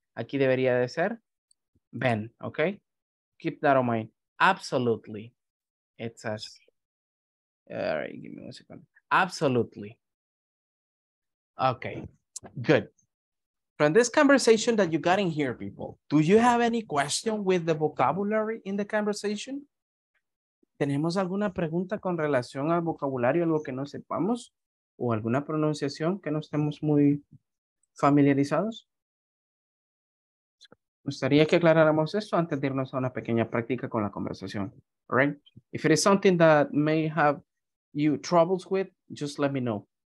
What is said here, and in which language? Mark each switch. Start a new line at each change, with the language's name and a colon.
Spanish: Aquí debería de ser Ben,
English: okay? Keep that on mind. Absolutely. It says, all right, give me one second. Absolutely. Okay, good. From this conversation that you got in here, people, do you have any question with the vocabulary in the conversation?
Spanish: ¿Tenemos alguna pregunta con relación al vocabulario, algo que no sepamos? ¿O alguna pronunciación que no estemos muy familiarizados? Me gustaría que aclaráramos esto antes de irnos a una pequeña práctica con la conversación.
English: All right? If it is something that may have you troubles with, just let me know.